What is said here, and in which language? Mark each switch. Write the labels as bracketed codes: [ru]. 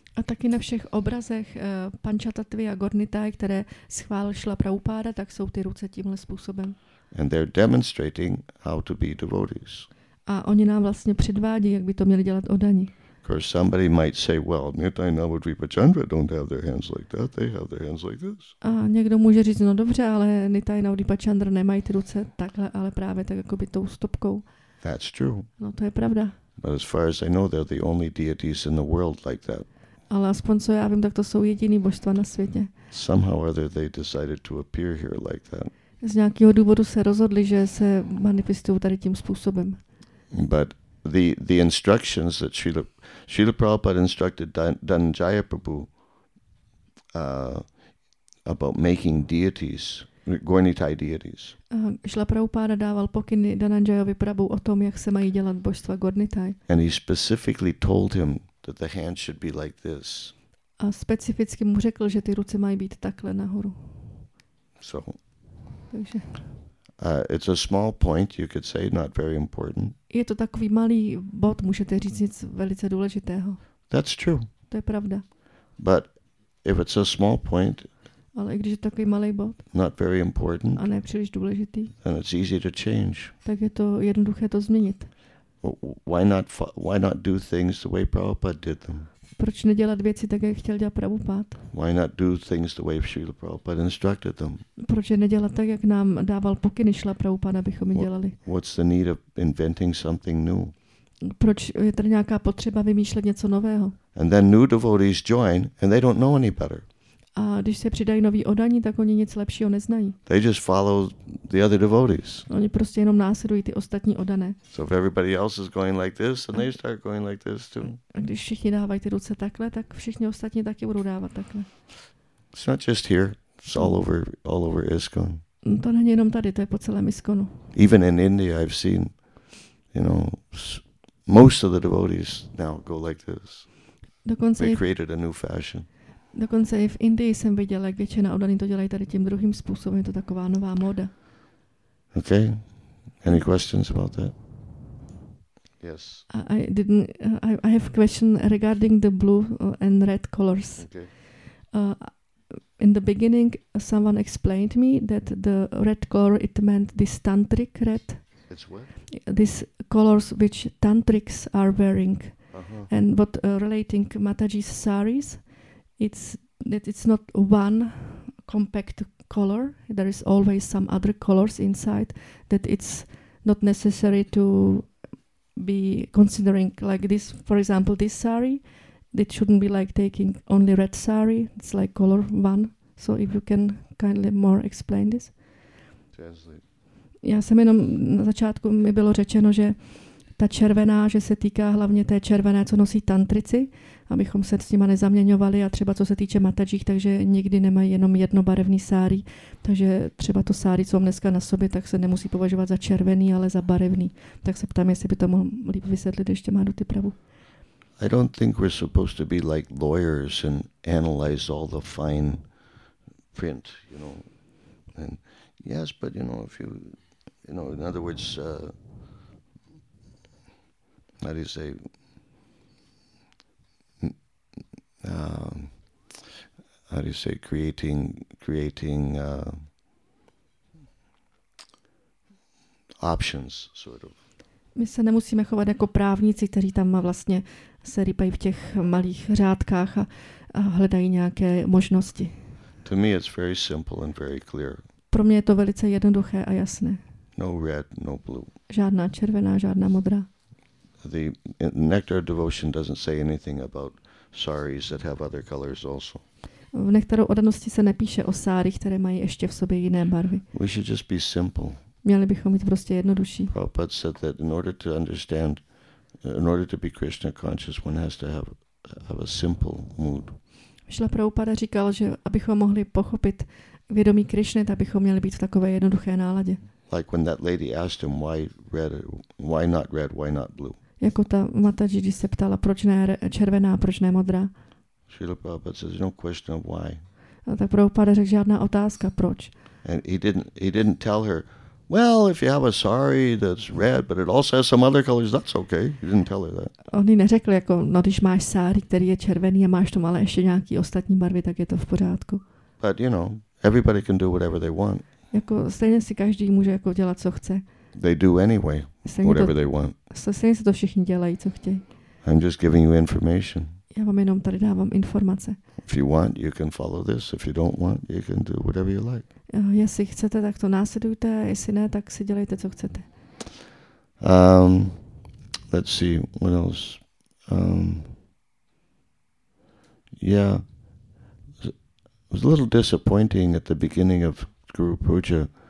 [cs] A taky na všech obrazech Panchatattvy a Gaura-Nitai, které schválil Srila Prabhupada, tak jsou ty ruce tímhle způsobem. [en] And they're demonstrating how to be devotees. [cs] A oni nám vlastně předvádí, jak by to měli dělat odaní. [en] Because somebody might say, well, Nitai Navadvipa Chandra don't have their hands like that, they have their hands like this. [cs] A někdo může říct, no dobře, ale Nitai Navadvipa Chandra nemají ty ruce takhle, ale právě tak jakoby tou stopkou. [en] That's true. [cs] No to je pravda. [en] But as far as I know, they're the only deities in the world like that. [cs] Ale aspoň co já vím, tak to jsou jediný božstva na světě. [en] Somehow or other they decided to appear here like that. [cs] Z nějakého důvodu se rozhodli, že se manifestují tady tím způsobem. [en] But the instructions that Srila Prabhupada instructed Dhananjaya Prabhu about making deities, Gaura-Nitai deities. [cs] Srila Prabhupada dával pokyny Dhananjayovi Prabhu o tom, jak se mají dělat božstva Gaura-Nitai. [en] And he specifically told him that the hands should be like this. [cs] A specificky mu řekl, že ty ruce mají být takhle nahoru. [en] So. [cs] Takže. [en] It's a small point, you could say, not very important. [cs] Je to takový malý bod, můžete říct nic velice důležitého. [en] That's true. [cs] To je pravda. [en] But if it's a small point, [cs] ale i když je takový malý bod, [en] not very important, [cs] a ne příliš důležitý, [en] then it's easy to change. [cs] Tak je to jednoduché to změnit. [en] Why not do things the way Prabhupada did them? [cs] Proč nedělat věci tak, jak chtěl dělat Prabhupada? [en] Why not do things the way Srila Prabhupada instructed them? [cs] Proč je nedělat tak, jak nám dával pokyny Srila Prabhupada, abychom ji dělali? [en] What's the need of inventing something new? [cs] Proč je tady nějaká potřeba vymýšlet něco nového? [en] And then new devotees join and they don't know any better. [cs] A když se přidají noví odaní, tak oni nic lepšího neznají. [en] They just follow the other devotees. [cs] Oni prostě jenom následují ty ostatní odané. [en] So if everybody else is going like this, then they start going like this too. [cs] A když všichni dávají ty ruce takhle, tak všichni ostatní taky budou dávat takhle. [en] It's not just here. It's all over ISKCON. [cs] To není jenom tady, to je po celém ISKCONu. [en] Even in India I've seen, you know, most of the devotees now go like this. [cs] Dokonce [en] they created a new fashion. [cs] Dokonce i v Indii jsem viděl, jak většina odaní to dělají tady tím druhým způsobem. Je to taková nová móda. [en] Okay. Any questions about that? Yes. I have a question regarding the blue and red colors. Okay. In the beginning, someone explained me that the red color, it meant this tantric red. It's what? These colors which tantrics are wearing. Uh-huh. And what relating Mataji's saris, it's that it's not one compact color. There is always some other colors inside that it's not necessary to be considering like this. For example, this sari, it shouldn't be like taking only red sari. It's like color one. So if you can kindly more explain this. Translate. [cs] Já jsem jenom na začátku mi bylo řečeno, že ta červená, že se týká hlavně té červené, co nosí tantrici, abychom se s nima nezaměňovali a třeba co se týče matadžích, takže nikdy nemají jenom jednobarevný sári, takže třeba to sári, co mám dneska na sobě, tak se nemusí považovat za červený, ale za barevný. Tak se ptám, jestli by to mohl líp vysvětlit, ještě má do ty pravu. [en] I don't think we're supposed to be like lawyers and analyze all the fine print, you know. And yes, but you know, if you, you know, in other words, how do you say, how do you say, creating options, sort of. [cs] My se nemusíme chovat jako právníci, kteří tam vlastně se rýpají v těch malých řádkách a hledají nějaké možnosti. [en] To me it's very simple and very clear. [cs] Pro mě je to velice jednoduché a jasné. [en] No red, no blue. [cs] Žádná červená, žádná modrá. [en] The Nectar of Devotion doesn't say anything about saris that have other colors also. [cs] V Nektaru odanosti se nepíše o sárích, které mají ještě v sobě jiné barvy. [en] We should just be simple. [cs] Měli bychom být prostě jednodušší. [en] Prabhupada said that in order to understand, in order to be Krishna conscious, one has to have a simple mood. [cs] Šla Prabhupada říkal, že abychom mohli pochopit vědomí Krishny, tak bychom měli být v takové jednoduché náladě. [en] Like when that lady asked him why red, why not red, why not blue. [cs] Jako ta Mataji, když se ptala, proč ne červená, proč ne modrá. [en] Srila Prabhupada says, no question of why. [cs] A tak Prabhupada řekl, žádná otázka, proč. [en] And he didn't tell her, well, if you have a sari that's red, but it also has some other colors, that's okay. He didn't tell her that. [cs] On jí neřekl, jako, no když máš sari, který je červený a máš tam ale ještě nějaký ostatní barvy, tak je to v pořádku. [en] But you know, everybody can do whatever they want. [cs] Jako stejně si každý může jako dělat, co chce. [en] They do anyway, whatever they want. [cs] Stejně si to všichni dělají, co chtějí. [en] I'm just giving you information. [cs] Já vám jenom tady dávám informace. [en] If you want, you can follow this. If you don't want, you can do whatever you like. [cs] Jestli chcete, tak to následujte. Jestli ne, tak si dělejte, co chcete. [en] Let's see, what else? It was a little disappointing at the beginning of Guru Puja.